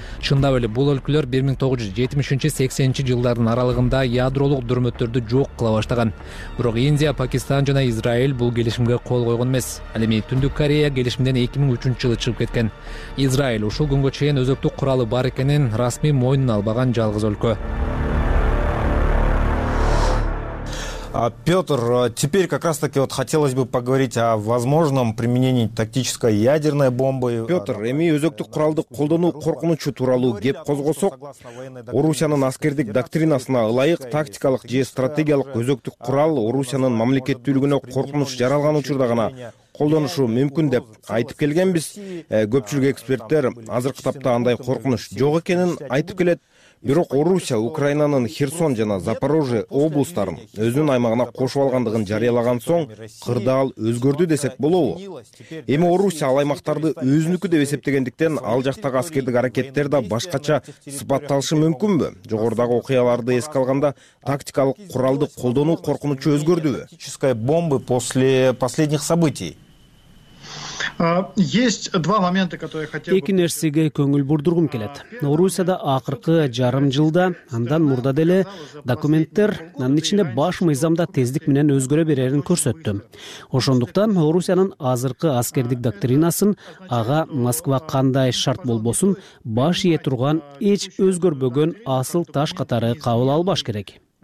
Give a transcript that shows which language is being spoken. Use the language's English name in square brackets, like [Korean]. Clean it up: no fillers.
[Kyrgyz] Чындап эле бул өлкөлөр 1970-80 жылдардын аралыгында ядролук дүрмөттөрдү жок кыла баштаган. Бирок Индия, Пакистан жана Израиль бул келишимге кол койгон эмес. Ал эми Түндүк Корея келишимден 2003 жылы чыгып кеткен. Израиль ушул күнгө чейин өзөктүк куралы бар экенин расмий мойнуна албаган жалгыз өлкө. [Russian] Петр, теперь как раз-таки вот хотелось бы поговорить о возможном применении тактической ядерной бомбы. [Kyrgyz] Петр, эми өзөктүк куралды колдонуу коркунучу тууралуу кеп козгосок, Орусиянын аскердик доктринасына ылайык тактикалык же стратегиялык өзөктүк курал Орусиянын мамлекеттүүлүгүнө коркунуч жаралган учурда гана колдонушу мүмкүн деп айтып келгенбиз. Көпчүлүк эксперттер азыркы тапта андай коркунуч жок экенин айтып келет. Бирок Орусия Украинанын Херсон жана Запорожье облустарын өзүнүн аймагына кошуп алгандыгын жарыялаган соң кырдаал өзгөрдү десек болобу? Эми Орусия ал аймактарды өзүнүкү деп эсептегендиктен ал жактагы аскердик аракеттер да башкача сыпатталышы мүмкүнбү? Жогорудагы окуяларды эске алганда тактикалык куралды колдонуу коркунучу өзгөрдүбү? [Russian] Тактическая бомба после последних событий. Есть два момента, которые я хотел бы... [Kyrgyz] Эки нерсеге көңүл бурдургум келет. Орусияда акыркы жарым жылда, андан мурда деле документтер, анын ичинде баш мыйзамда тездик менен өзгөрө берерин көрсөттү. Ошондуктан Орусиянын азыркы аскердик доктринасын ага Москва кандай шарт болбосун баш ийе турган эч өзгөрбөгөн асыл таш катары кабыл албаш керек.